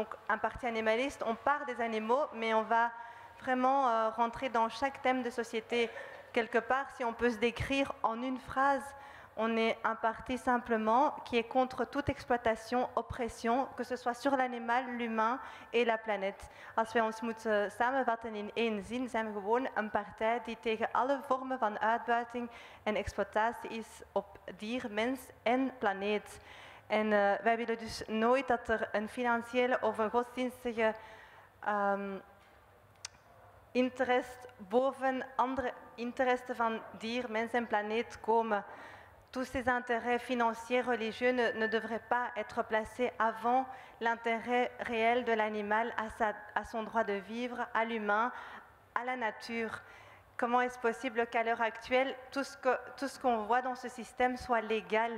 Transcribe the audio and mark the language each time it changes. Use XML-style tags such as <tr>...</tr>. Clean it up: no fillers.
<fr>Donc, un parti animaliste, on part des animaux, mais on va vraiment rentrer dans chaque thème de société. Quelque part, si on peut se décrire en une phrase, on est un parti simplement qui est contre toute exploitation, oppression, que ce soit sur l'animal, l'humain et la planète.</fr> <nl>Als wij ons moeten samenvatten in één zin, zijn we gewoon een partij die tegen alle vormen van uitbuiting en exploitatie is op dier, mens en planeet. En wij willen dus nooit dat er een financiële of een godsdienstige interesse boven andere interesse van dier, mens en planeet komen.</nl> <fr>Tous ces intérêts financiers, religieux ne devraient pas être placés avant l'intérêt réel de l'animal à son droit de vivre, à l'humain, à la nature. Comment est-ce possible qu'à l'heure actuelle, tout ce qu'on voit dans ce système soit légal?</fr>